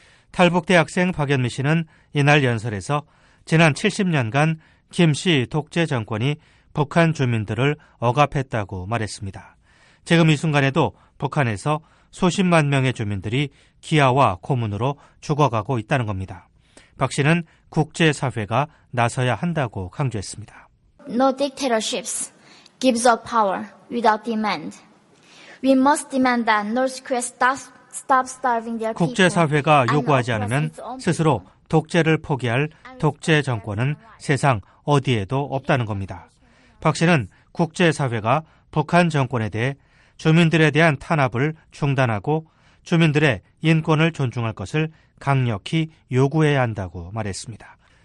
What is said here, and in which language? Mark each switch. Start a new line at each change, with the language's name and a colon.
Korean: 탈북대학생 박연미 씨는 이날 연설에서 지난 70년간 김 씨 독재 정권이 북한 주민들을 억압했다고 말했습니다. 지금 이 순간에도 북한에서 수십만 명의 주민들이 기아와 고문으로 죽어가고 있다는 겁니다. 박 씨는 국제사회가 나서야 한다고 강조했습니다.
English: No dictatorships gives up power without demand. We must demand that North Korea stop starving their people.
Korean: 국제사회가 요구하지 않으면 스스로 독재를 포기할 독재 정권은 세상 어디에도 없다는 겁니다. 박 씨는 국제사회가 북한 정권에 대해 주민들에 대한 탄압을 중단하고 주민들의 인권을 존중할 것을 강력히 요구해야 한다고 말했습니다.